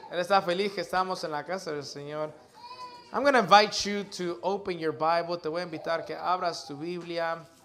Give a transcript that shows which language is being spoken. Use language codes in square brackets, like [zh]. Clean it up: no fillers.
[es] Él está feliz que estamos en la casa del Señor. [en] I'm going to invite you to open your Bible. [es] Te voy a invitar que abras tu Biblia.